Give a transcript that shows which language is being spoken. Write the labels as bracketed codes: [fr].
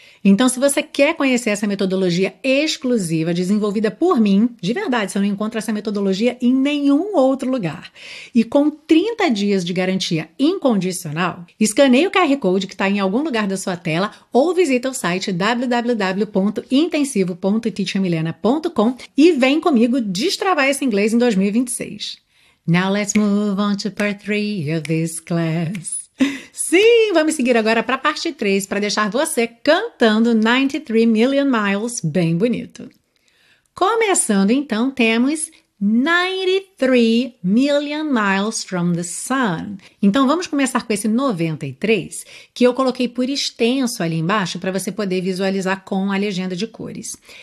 [pt] Então, se você quer conhecer essa metodologia exclusiva desenvolvida por mim, de verdade, você não encontra essa metodologia em nenhum outro lugar. E com 30 dias de garantia incondicional, escaneie o QR Code que está em algum lugar da sua tela ou visita o site www.intensivo.teachermilena.com e vem comigo destravar esse inglês em 2026. [en] Now let's move on to part 3 of this class. [pt] Sim, vamos seguir agora para a parte 3, para deixar você cantando 93 Million Miles bem bonito. Começando então, temos 93 Million Miles from the Sun. Então vamos começar com esse 93, que eu coloquei por extenso ali embaixo para você poder visualizar com a legenda de cores.